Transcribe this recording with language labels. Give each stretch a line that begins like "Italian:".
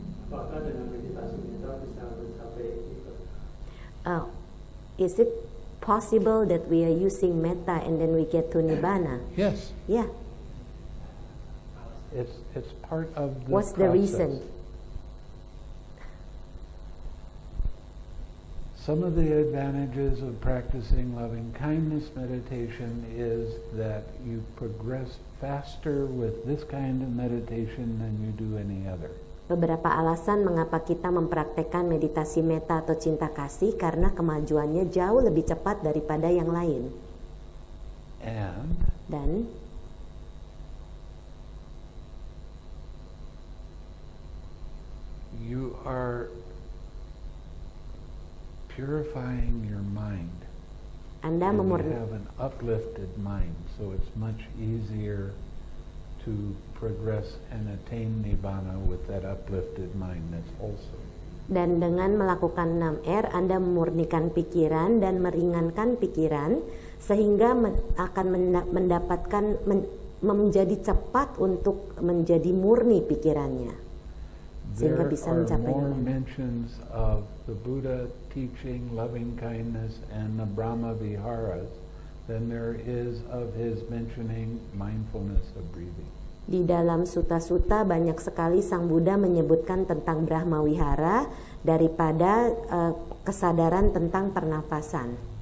Indonesian: Apakah dengan meditasi mental bisa mencapai itu?
English: Oh, is it possible that we are using metta and then we get to nirvana? Yes. Yeah. It's part of the What's process. The reason? Some of the advantages of practicing loving kindness meditation is that you progress faster with this kind of meditation than you do any other.
Indonesian: Beberapa alasan mengapa kita mempraktekkan meditasi metta atau cinta kasih karena kemajuannya jauh lebih cepat daripada yang lain.
English: And
Indonesian: dan
English: you are purifying your mind.
Indonesian: Anda memurnikan.
English: You have an uplifted mind, so it's much easier to progress and attain nirvana with that uplifted mind. That's also.
Indonesian: Dan dengan melakukan 6R, Anda memurnikan pikiran dan meringankan pikiran, sehingga akan mendapatkan menjadi cepat untuk menjadi murni pikirannya, sehingga bisa mencapai.
English: There are more mentions of the Buddha teaching loving kindness and the Brahma Viharas than there is of his mentioning mindfulness of breathing.
Indonesian: Di dalam sutta-sutta banyak sekali Sang Buddha menyebutkan tentang Brahma Vihara daripada kesadaran tentang pernafasan.